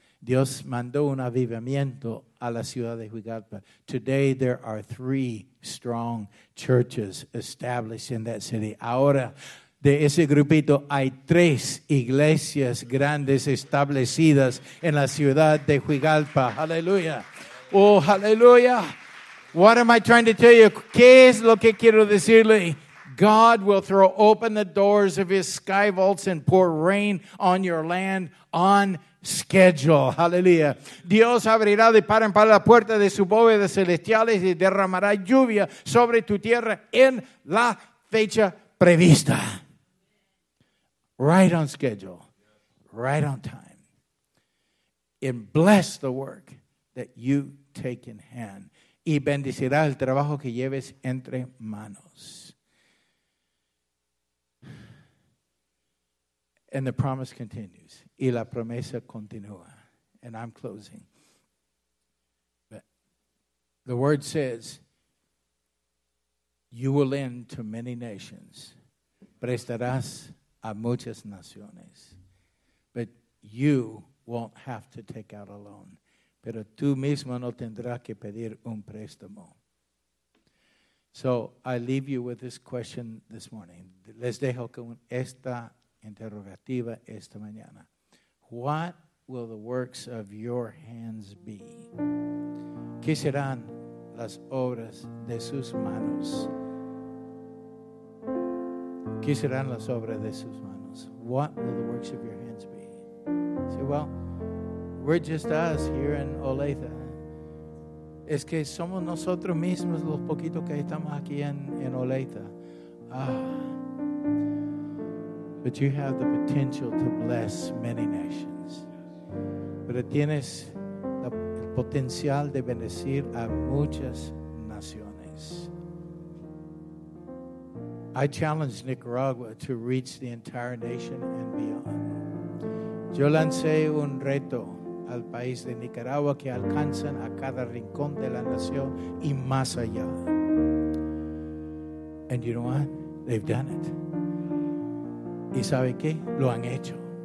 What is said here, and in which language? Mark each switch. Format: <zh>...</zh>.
<es>Dios mandó un avivamiento a la ciudad de Huigalpa.</es> <en>Today, there are 3 strong churches established in that city.</en> <es>Ahora, de ese grupito, hay 3 iglesias grandes establecidas en la ciudad de Huigalpa.</es> <en>Hallelujah. Oh, hallelujah. What am I trying to tell you?</en> <es>¿Qué es lo que quiero decirle?</es> <en>God will throw open the doors of his sky vaults and pour rain on your land on schedule. Hallelujah.</en> <es>Dios abrirá de par en par la puerta de sus bóvedas celestiales y derramará lluvia sobre tu tierra en la fecha prevista.</es> <en>Right on schedule. Right on time. And bless the work that you take in hand.</en> <es>Y bendecirá el trabajo que lleves entre manos.</es> <en>And the promise continues.</en> <es>Y la promesa continúa.</es> <en>And I'm closing. But the word says, you will lend to many nations.</en> <es>Prestarás a muchas naciones.</es> <en>But you won't have to take out a loan.</en> <es>Pero tú mismo no tendrás que pedir un préstamo.</es> <en>So I leave you with this question this morning.</en> <es>Les dejo con esta interrogativa esta mañana.</es> <en>What will the works of your hands be?</en> <es>¿Qué serán las obras de sus manos? ¿Qué serán las obras de sus manos?</es> <en>What will the works of your hands be? Say, well, we're just us here in Olathe.</en> <es>Es que somos nosotros mismos los poquitos que estamos aquí en Olathe. Ah.</es> <en>But you have the potential to bless many nations.</en> <es>Pero tienes el potencial de bendecir a muchas naciones.</es> <en>I challenge Nicaragua to reach the entire nation and beyond.</en> <es>Yo lancé un reto al país de Nicaragua que alcanzan a cada rincón de la nación y más allá.</es> <en>And you know what? They've done it.</en> <es>¿Y sabe qué? Lo han hecho.</es>